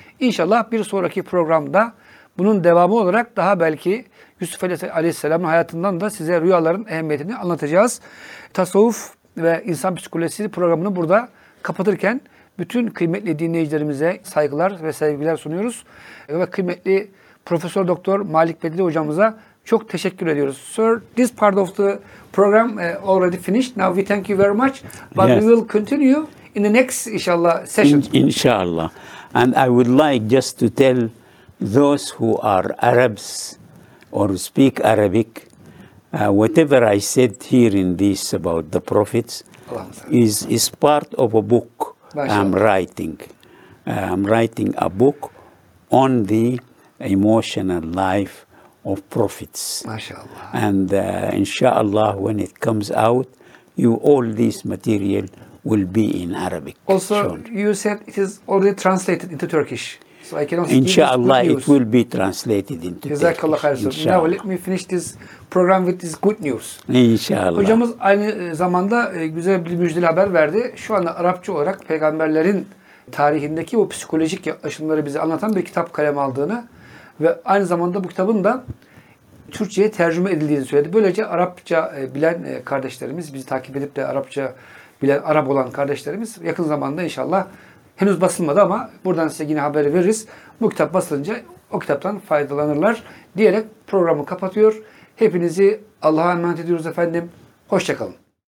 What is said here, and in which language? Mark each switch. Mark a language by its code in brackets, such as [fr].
[tr] İnşallah bir sonraki programda bunun devamı olarak daha belki Yusuf Aleyhisselam'ın hayatından da size rüyaların ehemmiyetini anlatacağız. Tasavvuf ve insan psikolojisi programını burada kapatırken bütün kıymetli dinleyicilerimize saygılar ve sevgiler sunuyoruz. Ve kıymetli Profesör Doktor Malik Bedri hocamıza çok teşekkür ediyoruz. [en] Sir, this part of the program already finished. Now we thank you very much. But yes, we will continue in the next inshallah session. Inshallah. And I would like just to tell those who are Arabs or speak Arabic, whatever I said here in this about the prophets, is part of a book. [tr] Başka. [en] I'm writing a book on the emotional life of prophets. Mashallah. And inshallah, when it comes out, all this material will be in Arabic. Also, you said it is already translated into Turkish. So I cannot. Inshallah, it will be translated into Turkish. [ar] Jazakallah khair. [en] Now let me finish this program with this good news. [tr] İnşallah. Hocamız aynı zamanda güzel bir müjdeli haber verdi. Şu anda Arapça olarak peygamberlerin tarihindeki o psikolojik yaklaşımları bize anlatan bir kitap kaleme aldığını ve aynı zamanda bu kitabın da Türkçe'ye tercüme edildiğini söyledi. Böylece Arapça bilen kardeşlerimiz, bizi takip edip de Arapça bilen, Arap olan kardeşlerimiz yakın zamanda inşallah, henüz basılmadı ama buradan size yine haberi veririz, bu kitap basılınca o kitaptan faydalanırlar diyerek programı kapatıyor. Hepinizi Allah'a emanet ediyoruz efendim. Hoşça kalın.